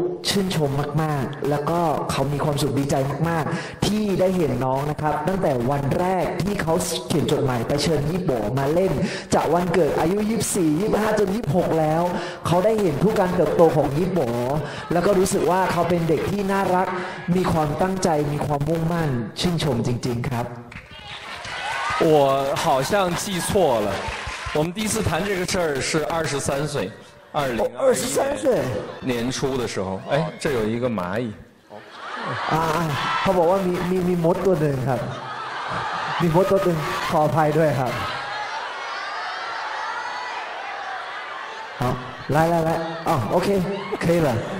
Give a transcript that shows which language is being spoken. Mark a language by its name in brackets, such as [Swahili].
[Thai] ชื่นชมมากๆแล้วก็เขามีความสุขดีใจมากๆที่ได้เห็นน้องนะครับตั้งแต่วันแรกที่เขาเขียนจดหมายไปเชิญอีโป๋มาเล่นจากวันเกิดอายุ24 25จน26แล้วเขาได้เห็นทุกการเติบโตของยิปโป๋แล้วก็รู้สึกว่าเขาเป็นเด็กที่น่ารักมีความตั้งใจมีความมุ่งมั่นชื่นชมจริงๆครับ [Chinese] 我好像记错了我们第一次谈这个事儿是23岁2023岁年初的时候哎这有一个蚂蚁 [Thai] เขาบอกว่ามีมดตัวหนึ่งครับมีมดตัวหนึ่งขออภัยด้วยครับ [Chinese] 来来来啊 ，OK， 可以了。